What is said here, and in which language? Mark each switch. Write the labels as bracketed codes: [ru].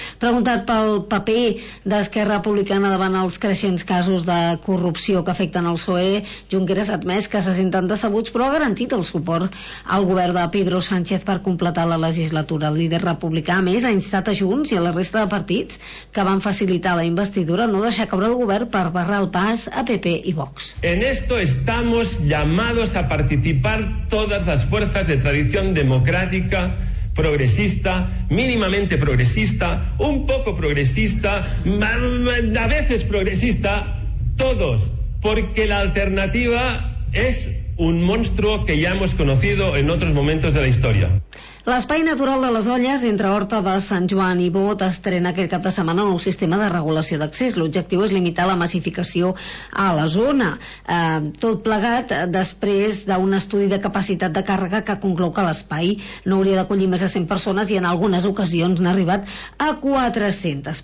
[ca] Preguntat pel paper d'Esquerra Republicana davant els creixents casos de corrupció que afecten el PSOE, Junqueras ha admès que se senten decebuts, però ha garantit el suport al govern de Pedro Sánchez per completar la legislatura. El líder republicà, a més, ha instat a Junts i a la resta de partits que van facilitar la investidura no deixar caure el govern per barrar el pas a PP i Vox. [es] En esto estamos llamados a participar todas las fuerzas de tradición democrática, progresista, mínimamente progresista, un poco progresista, a veces progresista, todos, porque la alternativa es un monstruo que ya hemos conocido en otros momentos de la historia. [ca] L'Espai Natural de les Olles, entre Horta de Sant Joan i Bot, estrena aquest cap de setmana un nou sistema de regulació d'accés. L'objectiu és limitar la massificació a la zona. Tot plegat després d'un estudi de capacitat de càrrega que conclou que l'espai no hauria d'acollir més de 100 persones i en algunes ocasions n'ha arribat a 400.